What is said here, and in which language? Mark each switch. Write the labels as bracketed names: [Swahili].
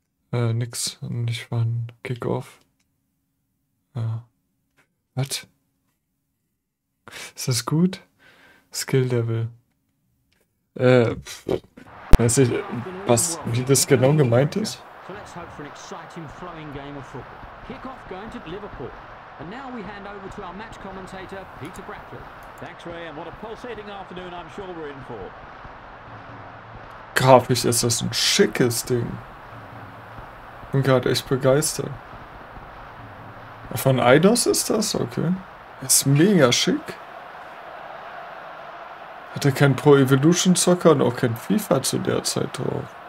[German] Nix, nicht wann. Kickoff. Ja. Was? Ist das gut? Skill Level. Weiß ich, was, wie das genau gemeint ist? [English] So let's hope for an exciting flowing game of football. Kickoff going to Liverpool. And now we hand over to our match commentator, Peter Bradford. Thanks, Ray, and what a pulsating afternoon I'm sure we're in for. [German] Grafisch ist das ein schickes Ding. Bin gerade echt begeistert. Von Eidos ist das? Okay. Ist mega schick. Hatte kein Pro Evolution Soccer und auch kein FIFA zu der Zeit drauf.